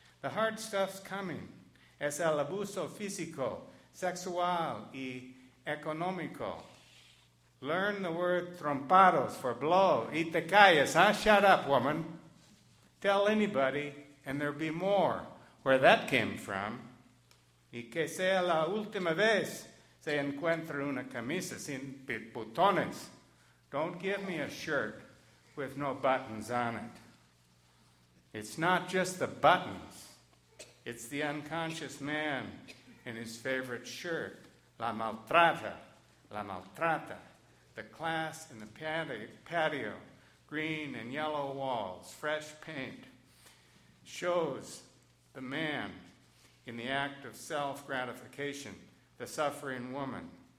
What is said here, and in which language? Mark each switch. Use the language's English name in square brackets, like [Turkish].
[English] The hard stuff's coming. [Spanish] Es el abuso físico, sexual, y económico. [English] Learn the word trompados for blow. [Spanish] Y te calles, [English] huh? Shut up, woman. Tell anybody, and there'll be more where that came from. [Spanish] Y que sea la última vez se encuentre una camisa sin botones. [English] Don't give me a shirt with no buttons on it. It's not just the buttons. It's the unconscious man in his favorite shirt. [Spanish] La maltrata, la maltrata. [English] The class in the patio, green and yellow walls, fresh paint, shows the man in the act of self-gratification, the suffering woman.